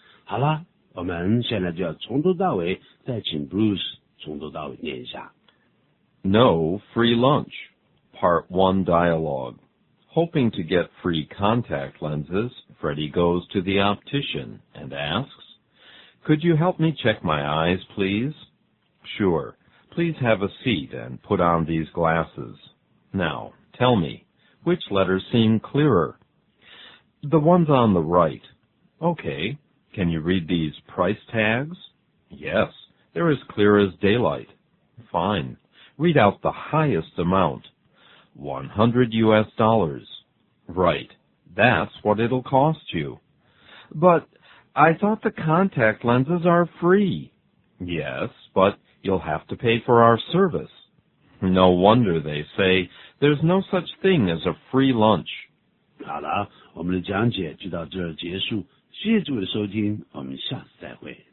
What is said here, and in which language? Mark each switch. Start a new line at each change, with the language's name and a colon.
Chinese: 好了，我们现在就要从头到尾再请 Bruce 从头到尾念一下。
English: No free lunch. Part 1 dialogue. Hoping to get free contact lenses, Freddy goes to the optician and asks, Could you help me check my eyes, please? Sure. Please have a seat and put on these glasses. Now, tell me, which letters seem clearer? The ones on the right. Okay. Can you read these price tags? Yes, they're as clear as daylight. Fine. Read out the highest amount. $100. Right. That's what it'll cost you. But I thought the contact lenses are free. Yes, but you'll have to pay for our service. No wonder they say there's no such thing as a free lunch.
Chinese: 好了，我们的讲解就到这儿结束。谢谢诸位收听，我们下次再会。